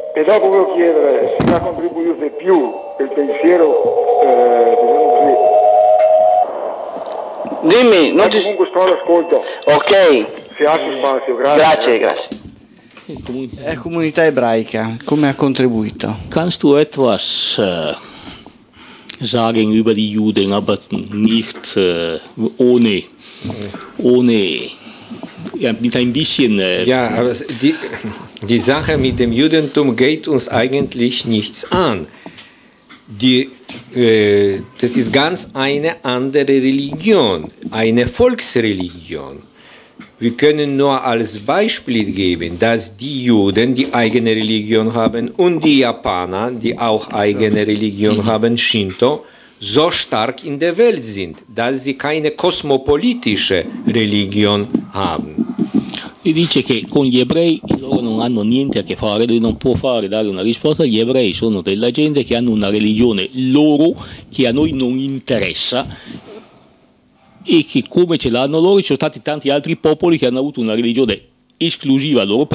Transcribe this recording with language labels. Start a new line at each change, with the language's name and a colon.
Italian: E dopo voglio chiedere se ha contribuito di più il pensiero Dimmi, non ti... Comunque sto all'ascolto. Ok. Se ha spazio, grazie. Grazie. La comunità ebraica come ha contribuito?
German: Kannst du etwas sagen über die Juden, aber nicht ohne ja, mit ein bisschen ja, aber die Sache mit dem Judentum geht uns eigentlich nichts an. Das ist ganz eine andere Religion, eine Volksreligion. Wir können nur als Beispiel geben, dass die Juden die eigene Religion haben und die Japaner, die auch eigene Religion haben, Shinto, so stark in der Welt sind, dass sie keine kosmopolitische Religion haben.
Italian: Lui dice che con gli ebrei loro non hanno niente a che fare, lui non può dare una risposta. Gli ebrei sono della gente che hanno una religione loro che a noi non interessa. E che come ce l'hanno loro, ci sono stati tanti altri popoli che hanno avuto una religione esclusiva loro.